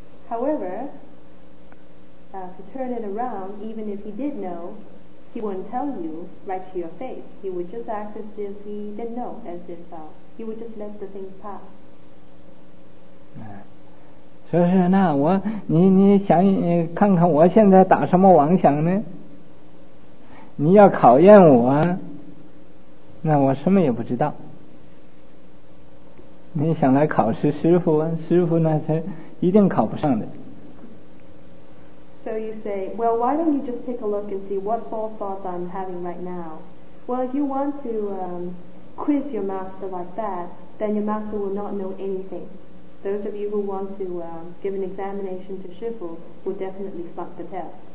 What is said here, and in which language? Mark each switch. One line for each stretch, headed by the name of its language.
English: However, to turn it around, even if he did know, he wouldn't tell you right to your face. He would just act as if he didn't know, as if he would just let the things pass.
Chinese: 所以说那我你想你看看我现在打什么妄想呢？你要考验我，那我什么也不知道。你想来考试师父，师父那是一定考不上的。
English: So you say, well, why don't you just take a look and see what false thoughts I'm having right now? Well, if you want to quiz your master like that, then your master will not know anything. Those of you who want to give an examination to Shifu will definitely flunk the test.